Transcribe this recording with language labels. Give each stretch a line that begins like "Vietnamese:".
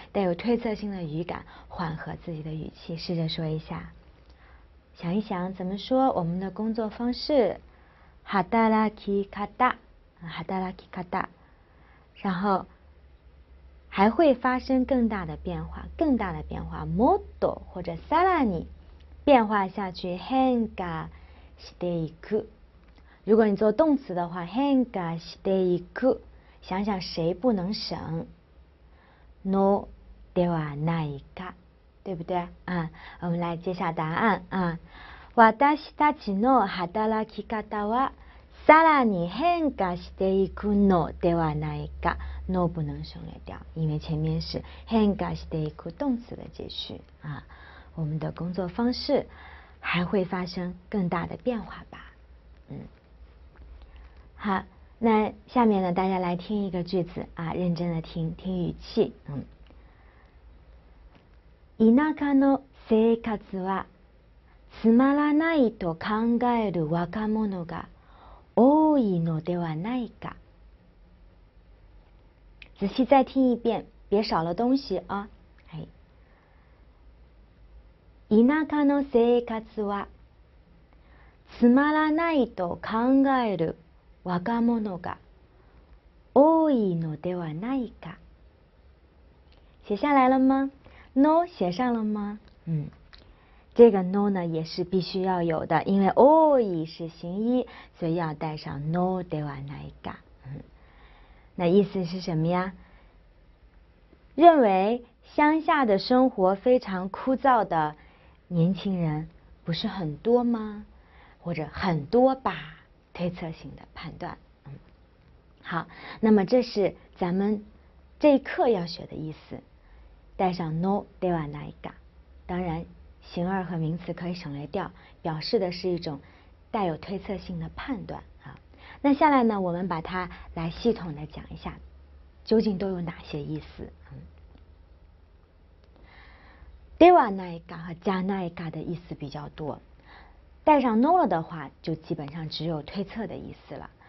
Chinese: 带有推测性的语感，缓和自己的语气，试着说一下，想一想怎么说我们的工作方式，働き方，働き方，然后还会发生更大的变化，更大的变化，もっと或者さらに变化下去，
Japanese: 変化していく。
Chinese: 如果你做动词的话，
Japanese: 変化していく，
Chinese: 想想谁不能省？no ではないか，对不对？啊，我们来揭晓答案啊。
Japanese: 私たちの働き方はさらに変化していくのではないか。
Chinese: no 不能省略掉，因为前面是
Japanese: 変化していく
Chinese: 动词的解释啊。我们的工作方式还会发生更大的变化吧？好，那下面呢，大家来听一个句子啊，认真的听听语气，
Japanese: 田舎の生活はつまらないと考える若者が多いのではないか。
Chinese: 仔细再听一遍，别少了东西啊。
Japanese: 田舎の生活はつまらないと考える若者が多いのではないか。
Chinese: 写下来了吗？No 写上了吗？这个 No 呢也是必须要有的，因为多い是形一，所以要带上 No ではないか。那意思是什么呀？认为乡下的生活非常枯燥的年轻人不是很多吗？或者很多吧？推测性的判断。好，那么这是咱们这一课要学的意思，带上 no ではないか。当然，形而和名词可以省略掉，表示的是一种带有推测性的判断啊。那下来呢，我们把它来系统的讲一下，究竟都有哪些意思？ではないか和じゃないか的意思比较多，带上 no 了的话，就基本上只有推测的意思了。